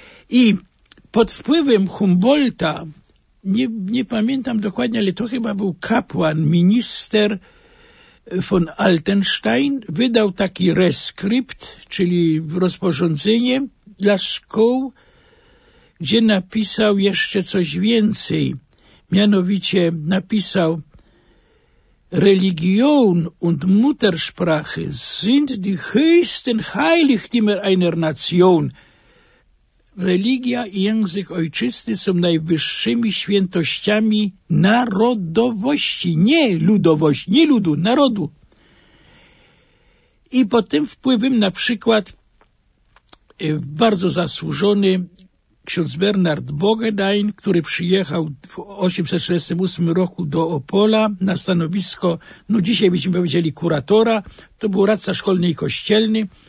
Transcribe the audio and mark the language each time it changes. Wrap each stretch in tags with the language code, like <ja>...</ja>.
<pl>I pod wpływem Humboldta, nie pamiętam dokładnie, ale to chyba był kapłan, minister von Altenstein, wydał taki reskrypt, czyli rozporządzenie dla szkół, gdzie napisał jeszcze coś więcej. Mianowicie napisał:</pl> <de>Religion und Muttersprache sind die höchsten Heiligtümer einer Nation.</de> <pl>Religia i język ojczysty są najwyższymi świętościami narodowości, nie ludowości, nie ludu, narodu. I pod tym wpływem na przykład bardzo zasłużony ksiądz Bernard Bogedain, który przyjechał w 1868 roku do Opola na stanowisko, no dzisiaj byśmy powiedzieli kuratora, to był radca szkolny i kościelny,</pl>